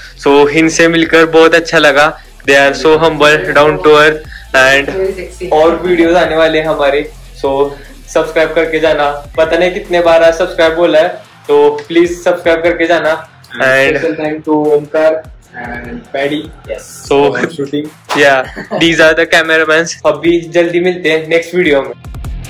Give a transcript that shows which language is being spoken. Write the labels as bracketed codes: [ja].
[hi] So इनसे मिलकर बहुत अच्छा लगा. [en] They are so humble, down to earth, and [hi] और videos आने वाले हैं हमारे. So सब्सक्राइब करके जाना. पता नहीं कितने बार आज सब्सक्राइब बोला है, तो प्लीज सब्सक्राइब करके जाना. [en] And thank to Omkar and Paddy. Yes, so shooting, yeah these are the cameraman. [hi] अभी जल्दी मिलते हैं नेक्स्ट वीडियो में.